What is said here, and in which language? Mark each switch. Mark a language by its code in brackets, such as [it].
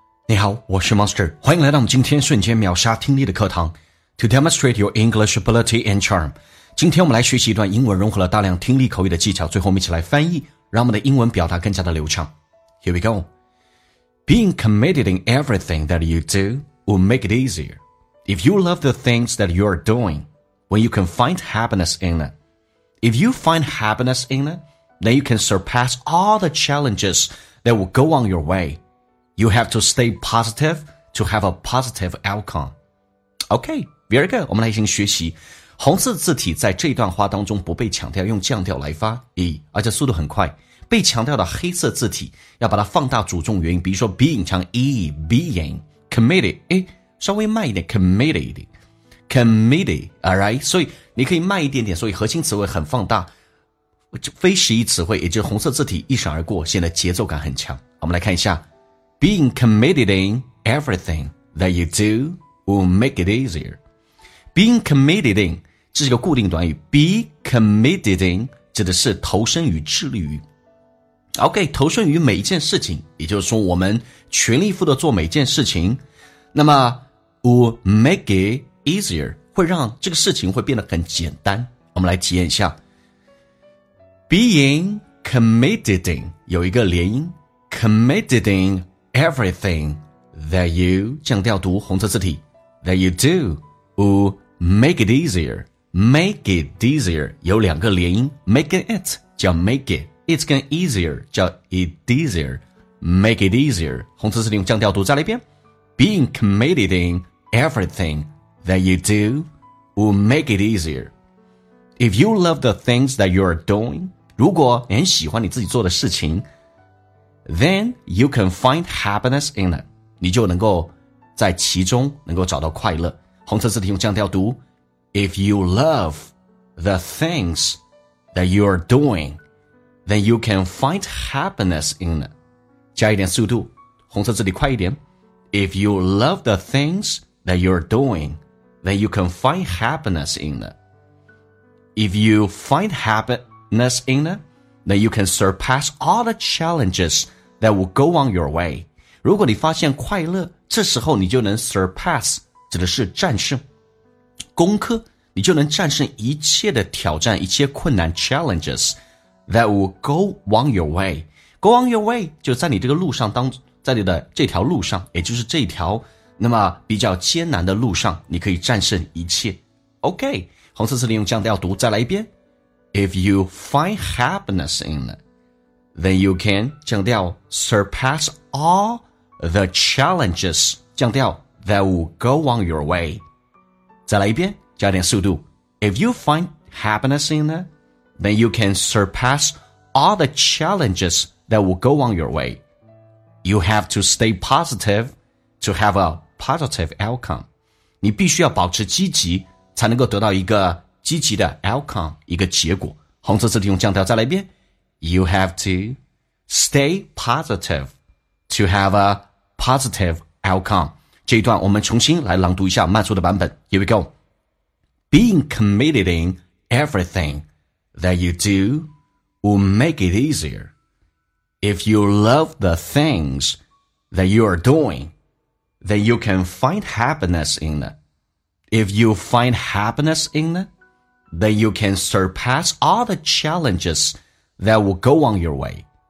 [zh] 你好，我是 Monster， 欢迎来到我们今天瞬间秒杀听力的课堂。 [en] To demonstrate your English ability and charm， [zh] 今天我们来学习一段英文融合了大量听力口语的技巧，最后我们一起来翻译，让我们的英文表达更加的流畅。 [en] Here we go. Being committed in everything that you do will make it easier. If you love the things that you are doing, when you can find happiness in it. If you find happiness in it, then you can surpass all the challenges that will go on your way. You have to stay positive to have a positive outcome. Okay, very good. [zh] 我们来进行学习。红色字体在这段话当中不被强调，用降调来发音，而且速度很快。被强调的黑色字体要把它放大主重元音，比如说 being 强 e [en] being committed， [zh] 稍微慢一点 committed. [en] All right, [zh] 所以你可以慢一点点，所以核心词汇很放大，非实义词汇也就是红色字体一闪而过，显得节奏感很强。我们来看一下。 [en] Being committed in everything that you do will make it easier. Being committed in, [zh] 这是个固定短语。 [en] Be committed in, [zh] 指的是投身于致力于。 OK, 投身于每一件事情，也就是说我们全力以赴的做每件事情，那么 [en] will make it easier, [zh] 会让这个事情会变得很简单。我们来体验一下。 [en] Being committed in, [zh] 有一个连音 [en] committed inEverything that you, [zh] 降调读红色字体 [en] that you do will make it easier. Make it easier, [zh] 有两个连音 [en] make it 叫 make it, it's going easier, 叫 it easier. Make it easier, [zh] 红色字体用降调读再来一遍 [en] Being committed in everything that you do will make it easier. If you love the things that you are doing, [zh] 如果你很喜欢你自己做的事情 [en] Then you can find happiness in it. [zh] 你就能够在其中能够找到快乐。红色字体用降调读 [en] If you love the things that you are doing, then you can find happiness in it. [zh] 加一点速度，红色字体快一点。 [en] If you love the things that you are doing, then you can find happiness in it. If you find happiness in it,Then you can surpass all the challenges that will go on your way. [zh] 如果你发现快乐，这时候你就能 surpass, 指的是战胜。攻克，你就能战胜一切的挑战，一切困难 [en] challenges that will go on your way. Go on your way, [zh] 就在你这个路上当，在你的这条路上，也就是这条那么比较艰难的路上，你可以战胜一切。 OK, 红色字体用降调读，再来一遍。 [en] If you find happiness in it, then you can, [zh] 降调, [en] surpass all the challenges, 降调, that will go on your way. [zh] 再来一遍,加点速度。 [en] If you find happiness in it, then you can surpass all the challenges that will go on your way. You have to stay positive to have a positive outcome. [zh] 你必须要保持积极才能够得到一个积极的 outcome, 一个结果。红色字体用降调再来一遍。 [en] You have to stay positive to have a positive outcome. [zh] 这一段我们重新来朗读一下慢速的版本。 [en] Here we go. Being committed in everything that you do will make it easier. If you love the things that you are doing, then you can find happiness in it. If you find happiness in itThen you can surpass all the challenges that will go on your way.